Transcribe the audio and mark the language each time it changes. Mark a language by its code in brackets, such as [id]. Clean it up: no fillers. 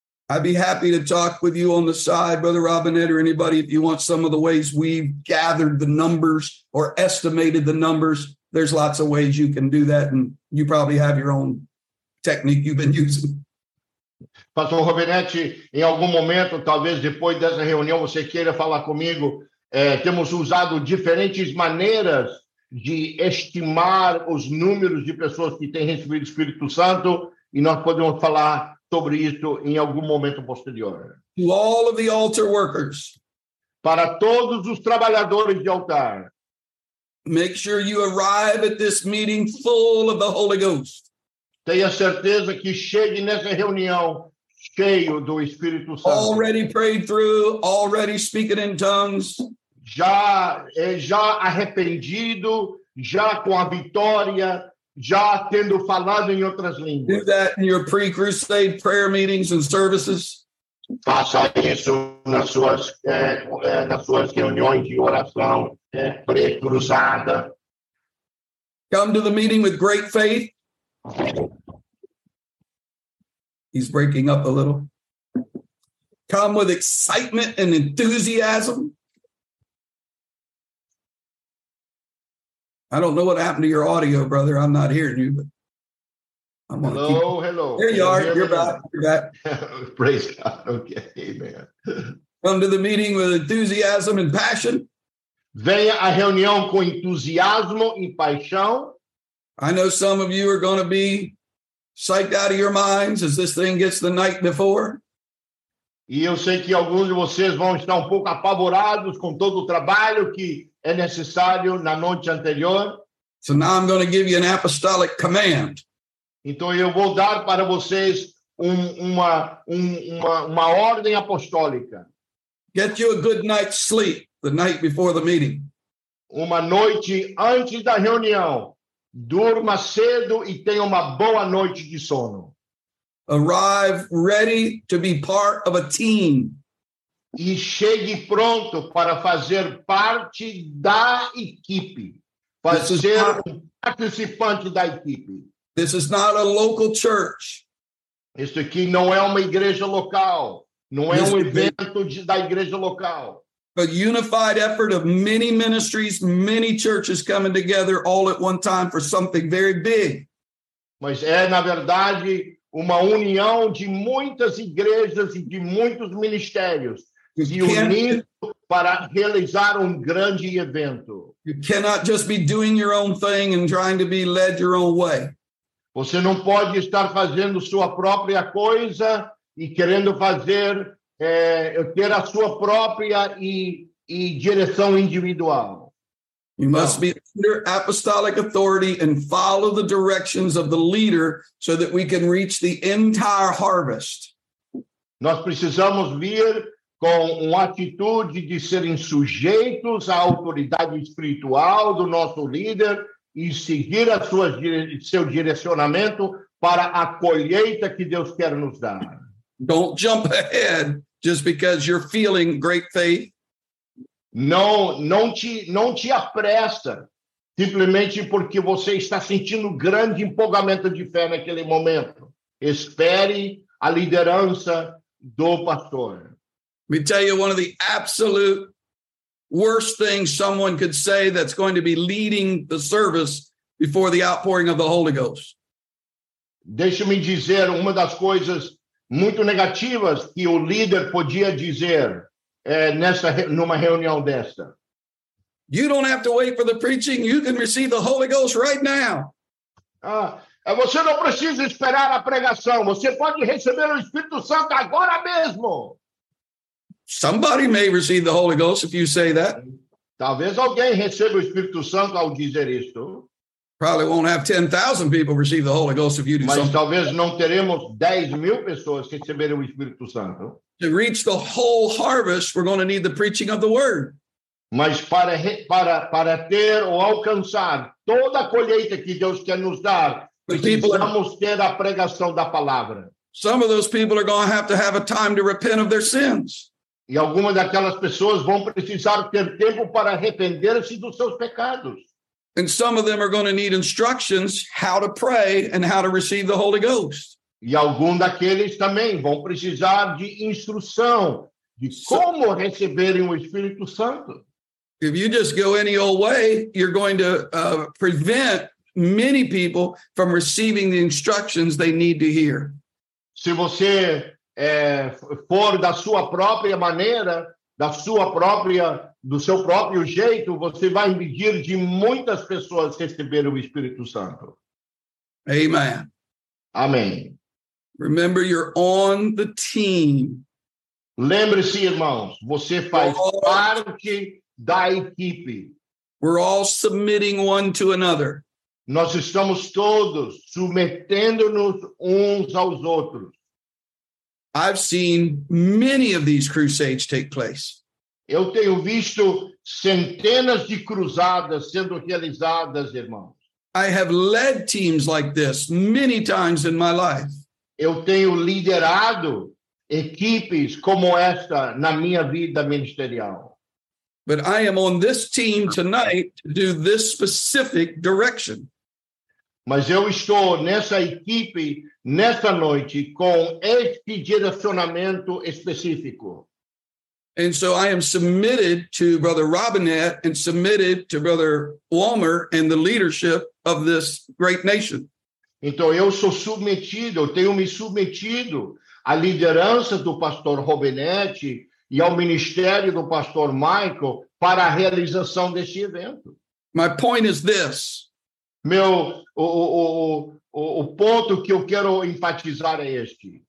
[en] I'd be happy to talk with you on the side, Brother Robinette, or anybody, if you want some of the ways we've gathered the numbers or estimated the numbers. There's lots of ways you can do that, and you probably have your own technique you've been using. [pt] Pastor Robinette, em algum momento, talvez depois dessa reunião, você queira falar comigo, temos usado diferentes maneiras de estimar os números de pessoas que têm recebido o Espírito Santo, e nós podemos falar sobre isso em algum momento posterior. [en] To all of the altar workers, [pt] para todos os trabalhadores de altar, [en] make sure you arrive at this meeting full of the Holy Ghost. [pt] Tenha certeza que chegue nessa reunião cheio do Espírito Santo. [en] Already prayed through, already speaking in tongues. [pt] Já arrependido, já com a vitória, já tendo falado em outras línguas. [en] Do that in your pre-crusade prayer meetings and services. [pt] Faça isso nas suas reuniões de oração pré-cruzada. [en] Come to the meeting with great faith. He's breaking up a little. Come with excitement and enthusiasm. I don't know what happened to your audio, brother. I'm not hearing you, but I'm going to keep it. Hello. Here you are. You're back. Praise God. Okay. Amen. Come to the meeting with enthusiasm and passion. [pt] Venha à reunião com entusiasmo e paixão. [en] I know some of you are going to be psyched out of your minds as this thing gets the night before. [pt] E eu sei que alguns de vocês vão estar um pouco apavorados com todo o trabalho que é necessário na noite anterior. [en] So now I'm going to give you an apostolic command. [pt] Então eu vou dar para vocês uma ordem apostólica. [en] Get you a good night's sleep the night before the meeting. [pt] Uma noite antes da reunião. Durma cedo e tenha uma boa noite de sono. Arrive ready to be part of a team. E chegue pronto para fazer parte da equipe. Fazer um participante da equipe. [en] This is not a local church. [pt] Isso aqui não é uma igreja local. Não é um evento da igreja local. [en] A unified effort of many ministries, many churches coming together all at one time for something very big. [pt] Mas é, na verdade, uma união de muitas igrejas e de muitos ministérios se unindo para realizar grande evento. [en] You cannot just be doing your own thing and trying to be led your own way. [pt] Você não pode estar fazendo sua própria coisa e querendo fazer ter a sua própria e direção individual. [en] You must be under apostolic authority and follow the directions of the leader so that we can reach the entire harvest. [pt] Nós precisamos vir com uma atitude de serem sujeitos à autoridade espiritual do nosso líder e seguir seu direcionamento para a colheita que Deus quer nos dar. [en] Don't jump ahead just because you're feeling great faith. [pt] Não te apressa simplesmente porque você está sentindo grande empolgamento de fé naquele momento. Espere a liderança do pastor. [en] Let me tell you one of the absolute worst things someone could say that's going to be leading the service before the outpouring of the Holy Ghost. [pt] Deixa-me dizer uma das coisas muito negativas que o líder podia dizer numa reunião desta. [en] You don't have to wait for the preaching. You can receive the Holy Ghost right now. [pt] Você não precisa esperar a pregação. Você pode receber o Espírito Santo agora mesmo. [en] Somebody may receive the Holy Ghost if you say that. [pt] Talvez alguém receba o Espírito Santo ao dizer isto. [en] Probably won't have 10,000 people receive the Holy Ghost if you do [pt] Mas [en] something. [pt] Mas talvez não teremos 10,000 pessoas que receberam o Espírito Santo. [en] To reach the whole harvest, we're going to need the preaching of the word. [pt] Mas para ter ou alcançar toda a colheita que Deus quer nos dar, precisamos ter a pregação da palavra. [en] Some of those people are going to have a time to repent of their sins. [pt] E algumas daquelas pessoas vão precisar ter tempo para arrepender-se dos seus pecados. [en] And some of them are going to need instructions how to pray and how to receive the Holy Ghost. [pt] E algum daqueles também vão precisar de instrução de como receberem o Espírito Santo. [en] If you just go any old way, you're going to prevent many people from receiving the instructions they need to hear. [pt] Se você for da sua própria maneira, do seu próprio jeito, você vai impedir de muitas pessoas receberem o Espírito Santo. [en] Amen. [pt] Amém. [en] Remember, you're on the team. [pt] Lembre-se, irmãos, você faz parte da equipe. [en] We're all submitting one to another. [pt] Nós estamos todos submetendo-nos uns aos outros. [en] I've seen many of these crusades take place. [pt] Eu tenho visto centenas de cruzadas sendo realizadas, irmãos. [en] I have led teams like this many times in my life. [pt] Eu tenho liderado equipes como esta na minha vida ministerial. [en] But I am on this team tonight to do this specific direction. [pt] Mas eu estou nessa equipe nessa noite com este direcionamento específico. [en] And so I am submitted to Brother Robinette and submitted to Brother Walmer and the leadership of this great nation. [pt] Então eu sou submetido, eu tenho me submetido à liderança do Pastor Robinette e ao ministério do Pastor Michael para a realização deste evento. [en] My point is this. [pt] O ponto que eu quero enfatizar é este.